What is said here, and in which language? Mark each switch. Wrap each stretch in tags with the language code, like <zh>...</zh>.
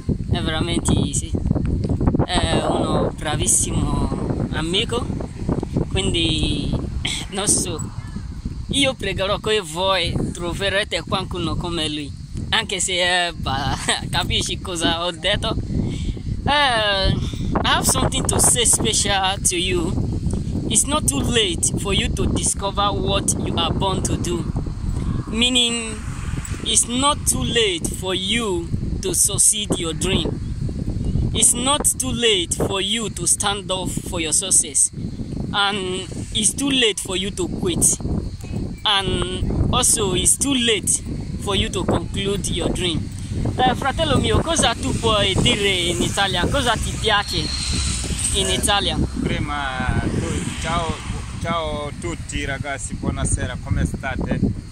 <it>È veramente sì. È uno bravissimo amico, quindi non so, io pregherò che voi troverete qualcuno come lui, anche se capisci cosa ho detto.</it> <en>I have something to say special to you. It's not too late for you to discover what you are born to do, meaning it's not too late for you to succeed your dream. It's not too late for you to stand up for your success, and it's too late for you to quit, and also it's too late for you to conclude your dream.</en> <it>Fratello mio, cosa tu puoi dire in Italia? Cosa ti piace in Italia? Prima, ciao a tutti ragazzi, buonasera, come state?</it>